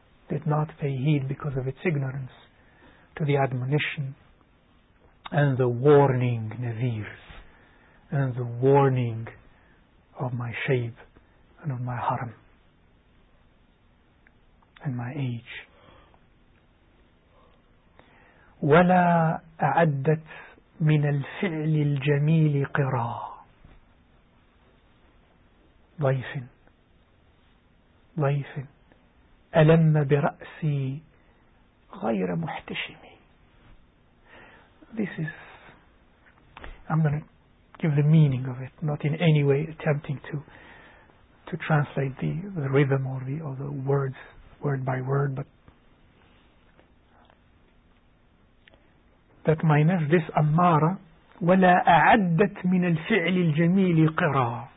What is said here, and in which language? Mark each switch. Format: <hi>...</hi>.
<en>Did not pay heed because of its ignorance to the admonition and the warning, نَذِير, and the warning of my shayb and of my haram and my age.</en> <ar>ولا أعدت من الفعل الجميل قراء ضيف ألم برأسي غير محتشمي.</ar> <en>This is, I'm going to give the meaning of it, not in any way attempting to translate the rhythm or the words word by word, but that my nafs, this Ammara,</en> <ar>وَلَا أَعَدَّتْ مِنَ الْفِعْلِ الْجَمِيلِ قِرَاءً.</ar>